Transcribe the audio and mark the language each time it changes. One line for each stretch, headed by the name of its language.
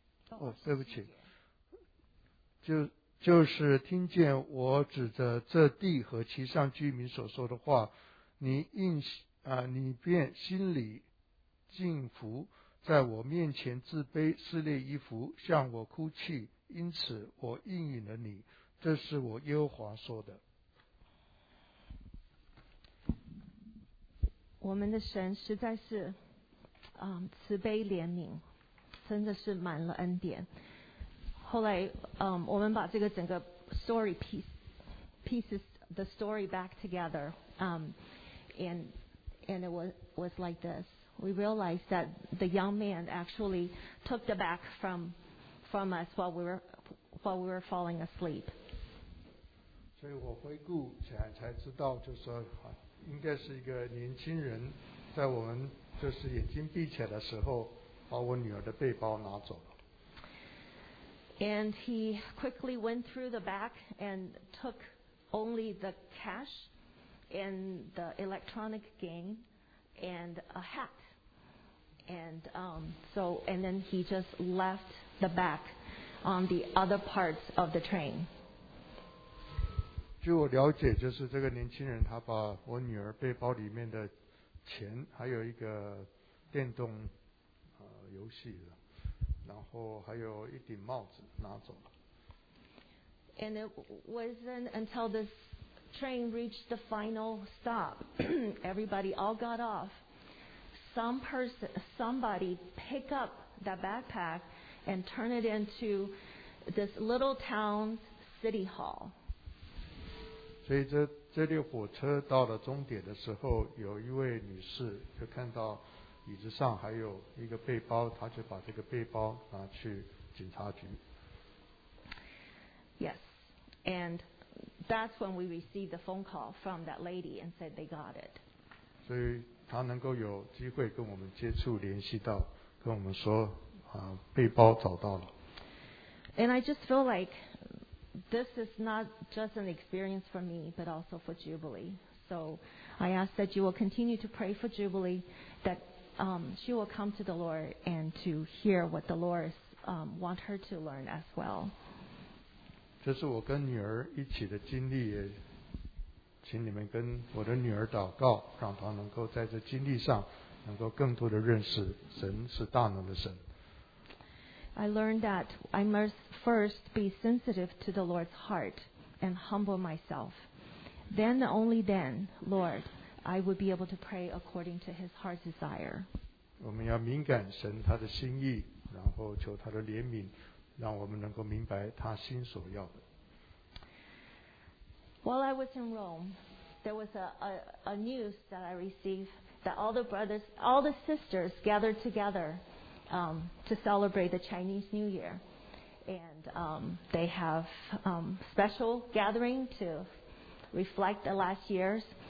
Chinese: 哦，对不起，就是听见我指着这地和其上居民所说的话，你便心里敬服，在我面前自卑，撕裂衣服，向我哭泣，因此我应允了你，这是我耶和华说的。我们的神实在是慈悲怜悯，真的是满了恩典。后来我们把这个整个
English: story pieces the story back together and it was like this. We realized that the young man actually took the back from us while we were falling asleep.
Chinese: 所以我回顾起来才知道，就是说应该是一个年轻人在我们就是眼睛闭起来的时候把我女儿的背包拿走了。
English: And he quickly went through the bag and took only the cash and the electronic game and a hat. And then he just left the bag on the other parts of the train.
Chinese: 据我了解，就是这个年轻人他把我女儿背包里面的钱还有一个电动游戏的，然后还有一顶帽子拿走了。
English: And it wasn't until this train reached the final stop, everybody all got off. Somebody pick up that backpack and turn it into this little town's city hall.
Chinese: 所以这列火车到了终点的时候，有一位女士就看到椅子上还有一个背包，他就把这个背包拿去警察局。
English: Yes, and that's when we received the phone call from that lady and said they got it.
Chinese: 所以他能够有机会跟我们接触联系到，跟我们说背包找到了。
English: And I just feel like this is not just an experience for me, but also for Jubilee. So I ask that you will continue to pray for Jubilee, that she will come to the Lord and to hear what the Lord want her to learn as well.
Chinese: 这是我跟女儿一起的经历，也请你们跟我的女儿祷告，让她能够在这经历上能够更多的认识神是大能的神。
English: I learned that I must first be sensitive to the Lord's heart and humble myself. Then only then, Lord, I would be able to pray according to His heart's desire.
Chinese: 我们要敏感神他的心意，然后求他的怜悯，让我们能够明白他心所要的。
English: While I was in Rome, there was a news that I received that all the brothers, all the sisters gathered together. To celebrate the Chinese New Year. And they have special gathering to reflect the last years.